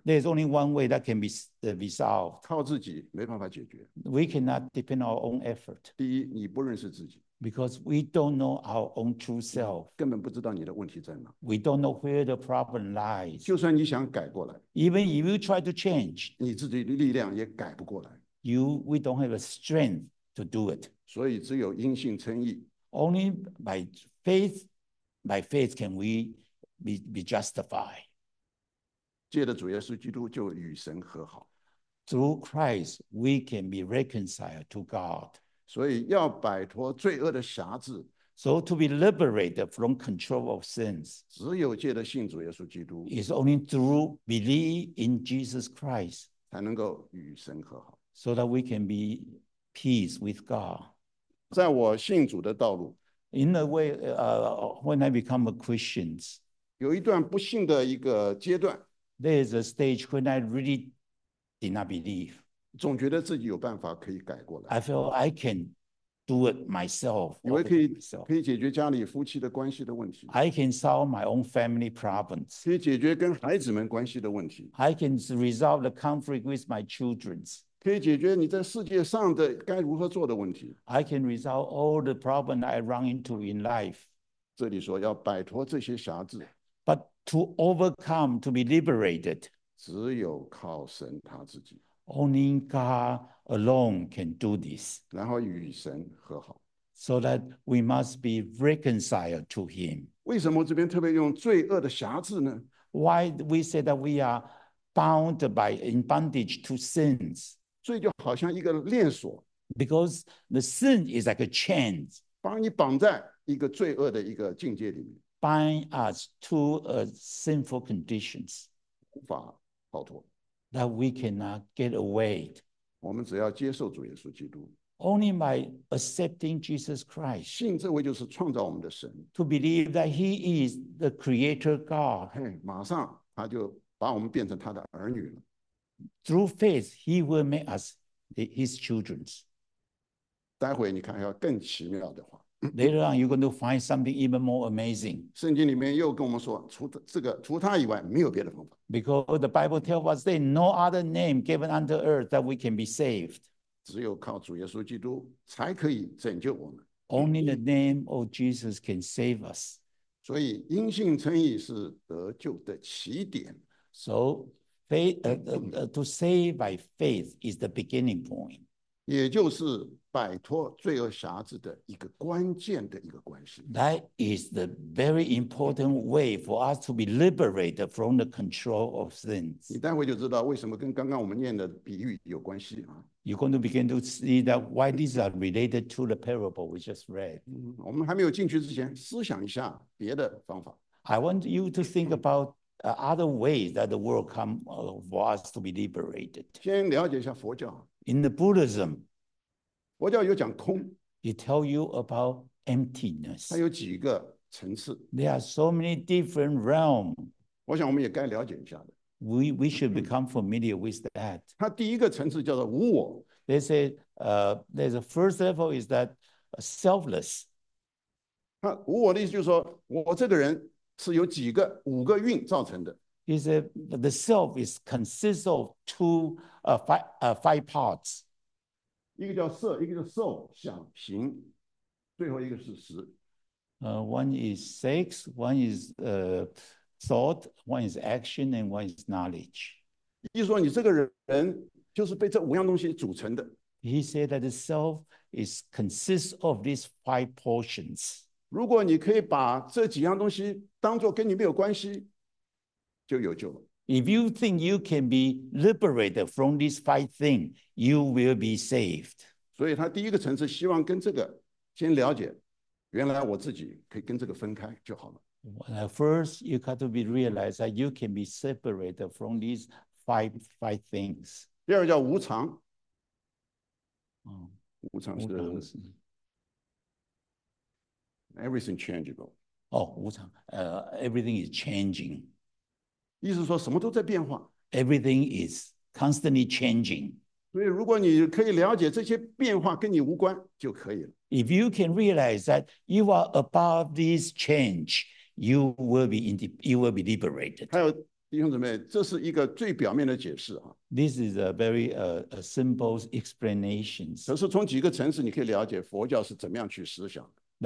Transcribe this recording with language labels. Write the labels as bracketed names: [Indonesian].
[English] There's only one way that can be solved. [Chinese] 靠自己没办法解决。 [English] We cannot depend on our own effort. [Chinese] 第一，你不认识自己。 [English] Because we don't know our own true self. [Chinese] 根本不知道你的问题在哪。 [English] We don't know where the problem lies. [Chinese] 就算你想改过来。 [English] Even if you try to change. [Chinese] 你自己力量也改不过来。 [English] We don't have a strength to do it. [Chinese] 所以只有因信称义。 [English] Only by faith can we be justified. [Chinese] 借着主耶稣基督就与神和好。 [English] Through Christ, we can be reconciled to God. [Chinese] 所以要摆脱罪恶的辖制。 [English] So to be liberated from control of sins. [Chinese] 只有借着信主耶稣基督。 [English] It's only through believing in Jesus Christ. [Chinese] 才能够与神和好。 [English] So that we can be peace with God. [Chinese] 在我信主的道路 [English] In a way, when I become a Christian, [Chinese] 有一段不信的一个阶段 [English] There is a stage when I really did not believe. [Chinese] 总觉得自己有办法可以改过来 [English] I feel I can do it myself. [Chinese] 以为可以解决家里夫妻的关系的问题 [English] I can solve my own family problems. [Chinese] 可以解决跟孩子们关系的问题 [English] I can resolve the conflict with my children. [Chinese] 可以解决你在世界上的该如何做的问题。 [English] I can resolve all the problems I run into in life. [Chinese] 这里说要摆脱这些辖制。 [English] But to overcome, to be liberated, [Chinese] 只有靠神他自己。 [English] Only God alone can do this. [Chinese] 然后与神和好。 [English] So that we must be reconciled to him. [Chinese] 为什么这边特别用罪恶的辖制呢？ [English] Why we say that we are bound by in bondage to sins? [Chinese] 罪就好像一个链锁 [English] ，because the sin is like a chain， [Chinese] 把你绑在一个罪恶的一个境界里面 [English] ，bind us to a sinful conditions， [Chinese] 无法逃脱 [English] ，that we cannot get away。 [Chinese] 我们只要接受主耶稣基督 [English] ，only by accepting Jesus Christ， [Chinese] 信这位就是创造我们的神 [English] ，to believe that He is the Creator God， [Chinese] 马上他就把我们变成他的儿女了。 [English] Through faith, He will make us His children. [Chinese] 待会你看要更奇妙的话。 [English] Later on, you're going to find something even more amazing. [Chinese] 圣经里面又跟我们说，除他以外，没有别的方法。 [English] Because the Bible tells us there's no other name given under earth that we can be saved. [Chinese] 只有靠主耶稣基督才可以拯救我们。 [English] Only the name of Jesus can save us. [Chinese] 所以因信称义是得救的起点。 [English] So. To save by faith is the beginning point. [Chinese] 也就是摆脱罪恶辖制的一个关键的一个关系。 [English] That is the very important way for us to be liberated from the control of sins. [Chinese] 你待会就知道为什么跟刚刚我们念的比喻有关系啊。 [English] You're going to begin to see that why these are related to the parable we just read. [Chinese] 我们还没有进去之前，思想一下别的方法。 [English] I want you to think about. Other ways that the world come for us to be liberated. [Chinese] 先了解一下佛教。 [English] In the Buddhism, [Chinese] 佛教有讲空。 [English] It tells you about emptiness. [Chinese] 它有几个层次。 [English] There are so many different realms. [Chinese] 我想我们也该了解一下的。 [English] We should become familiar with that. [Chinese] 它第一个层次叫做无我。 [English] They say, there's a first level is that selfless. [Chinese] 它无我的意思就是说我这个人。是由几个五个蕴造成的。 [English] He said the self is consists of two, five parts. [Chinese] 一个叫色，一个叫受想行，最后一个是识。 [English] One is sex, one is thought, one is action, and one is knowledge. [Chinese] 意思说你这个人就是被这五样东西组成的。 [English] He said that the self is consists of these five portions. [Chinese] 如果你可以把这几样东西当作跟你没有关系，就有救了。 [English] If you think you can be liberated from these five things, you will be saved. [Chinese] 所以他第一个层次希望跟这个先了解，原来我自己可以跟这个分开就好了。 [English] Well, at first, you got to be realized that you can be separated from these five things. [Chinese] 第二个叫无常。无常是 [English] everything changeable. 哦，无常，everything is changing. [Chinese] 意思说什么都在变化。 [English] Everything is constantly changing. [Chinese] 所以如果你可以了解这些变化跟你无关就可以了。 [English] If you can realize that you are above this change, you will be liberated. [Chinese] 还有弟兄姊妹，这是一个最表面的解释啊。 [English] This is a very a simple explanation. [Chinese] 可是从几个层次，你可以了解佛教是怎么样去思想的。